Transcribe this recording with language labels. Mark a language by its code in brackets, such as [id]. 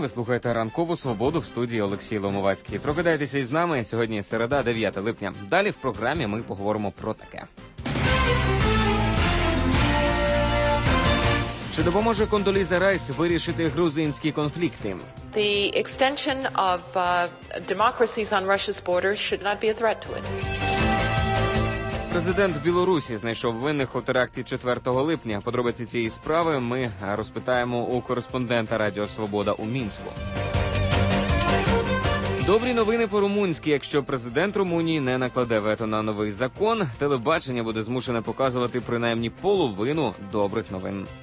[uk] Ви слухаєте «Ранкову свободу» в студії Олексій Ломовацький. Прокидайтеся із нами. Сьогодні середа, 9 липня. Далі в програмі ми поговоримо про таке. Чи допоможе Кондоліза Райс вирішити грузинські конфлікти? [en] The extension of democracies on Russia's border should not be a threat to it. [uk] Президент Білорусі знайшов винних у теракті 4 липня. Подробиці цієї справи ми розпитаємо у кореспондента Радіо Свобода у Мінську. Добрі новини по-румунськи. Якщо президент Румунії не накладе вето на новий закон, телебачення буде змушене показувати принаймні половину добрих новин.